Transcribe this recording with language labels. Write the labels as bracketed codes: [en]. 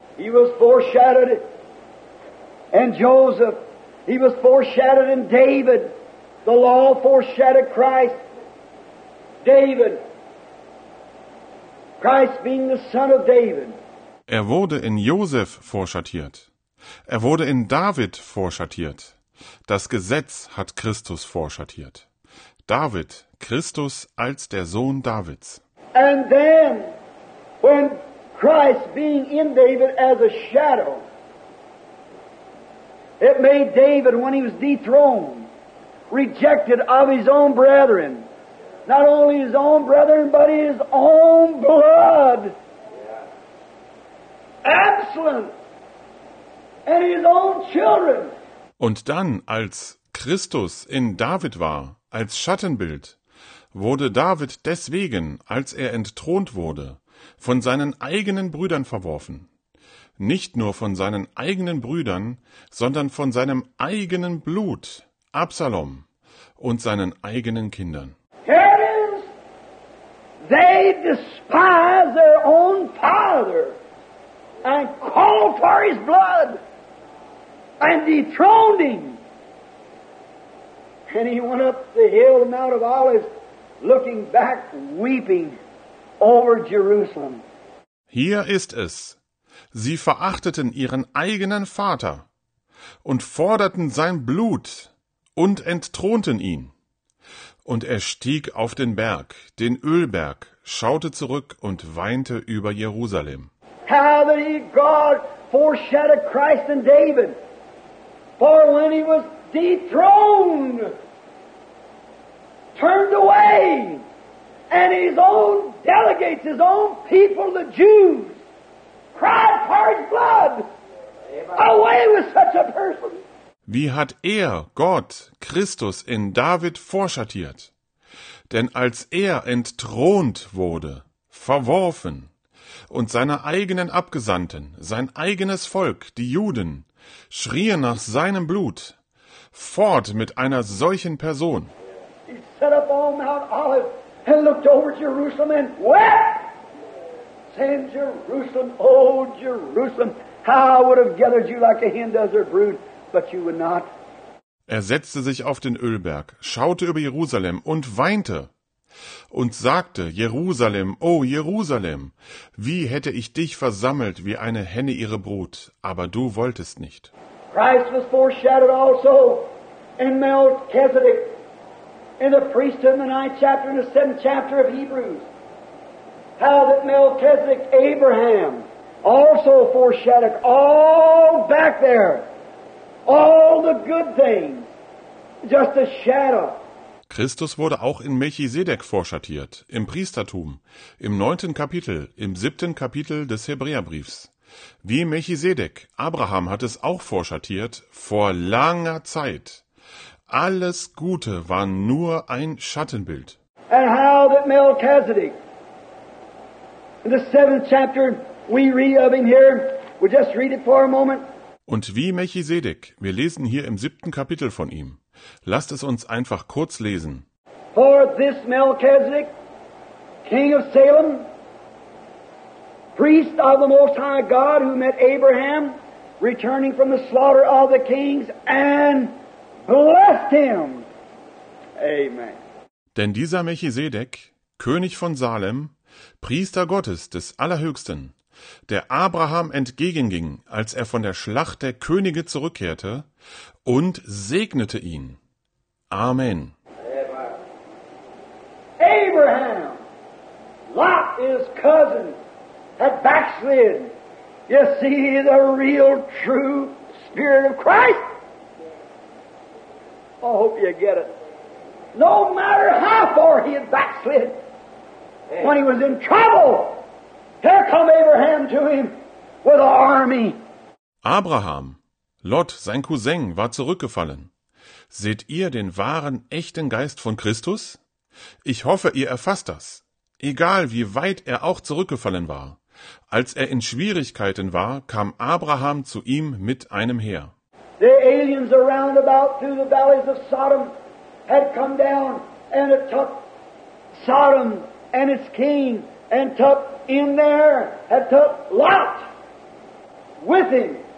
[en] He was foreshadowed in Joseph. He was foreshadowed in David. The law foreshadowed Christ. David. Christ being the son of David. [de] Er wurde in Joseph vorschattiert. Er wurde in David vorschattiert. Das Gesetz hat Christus vorschattiert. David, Christus als der Sohn Davids. [en] And then, when Christ being in David as a shadow, it made David, when he was dethroned, rejected of his own brethren. Not only his own brethren, but his own blood. Absalom and his own children. [de] Und dann, als Christus in David war, als Schattenbild, wurde David deswegen, als er entthront wurde, von seinen eigenen Brüdern verworfen. Nicht nur von seinen eigenen Brüdern, sondern von seinem eigenen Blut, Absalom, und seinen eigenen Kindern. [en] Here it is. They despise their own father and call for his blood. And dethroned him. And he went up the hill, the Mount of Olives, looking back, weeping over Jerusalem. [de] Hier ist es. Sie verachteten ihren eigenen Vater und forderten sein Blut und entthronten ihn. Und er stieg auf den Berg, den Ölberg, schaute zurück und weinte über Jerusalem. [en] Heavenly God foreshadowed Christ and David. For when he was dethroned, turned away, and his own delegates, his own people, the Jews, cried for his blood. Away with such a person. [de] Wie hat er, Gott, Christus, in David vorschattiert? Denn als er entthront wurde, verworfen, und seine eigenen Abgesandten, sein eigenes Volk, die Juden, schrien nach seinem Blut, fort mit einer solchen Person. [en] He sat up on Mount Olive and looked over Jerusalem and wept, saying, Jerusalem, oh Jerusalem, how I would have gathered you like a hen does her brood, but you would not. [de] Er setzte sich auf den Ölberg, schaute über Jerusalem und weinte und sagte, Jerusalem, o Jerusalem, wie hätte ich dich versammelt wie eine Henne ihre Brut, aber du wolltest nicht. [en] Christ was foreshadowed also in Melchizedek, in the priesthood in the ninth chapter and the seventh chapter of Hebrews. How that Melchizedek, Abraham, also foreshadowed all back there, all the good things, just a shadow. [de] Christus wurde auch in Melchisedek vorschattiert, im Priestertum, im 9. Kapitel, im 7. Kapitel des Hebräerbriefs. Wie Melchisedek, Abraham hat es auch vorschattiert, vor langer Zeit. Alles Gute war nur ein Schattenbild. [en] And how that Melchizedek, in the 7th chapter, we read of him here, we'll just read it for a moment. [de] Und wie Melchisedek, wir lesen hier im 7. Kapitel von ihm. Lasst es uns einfach kurz lesen. [en] For this Melchizedek, king of Salem, priest of the Most High God, who met Abraham, returning from the slaughter of the kings, and blessed him. Amen. [de] Denn dieser Melchisedek, König von Salem, Priester Gottes des Allerhöchsten, der Abraham entgegenging, als er von der Schlacht der Könige zurückkehrte, und segnete ihn. [en] Amen. Abraham, Lot, his cousin, had backslid. You see the real, true spirit of Christ? I hope you get it. No matter how far he had backslid, amen, when he was in trouble, here come Abraham to him with an army. [de] Abraham, Lot, sein Cousin, war zurückgefallen. Seht ihr den wahren, echten Geist von Christus? Ich hoffe, ihr erfasst das. Egal, wie weit er auch zurückgefallen war. Als er in Schwierigkeiten war, kam Abraham zu ihm mit einem Heer. [en] The aliens around about through the valleys of Sodom had come down and it took Sodom and its king and took in there, had took Lot with him.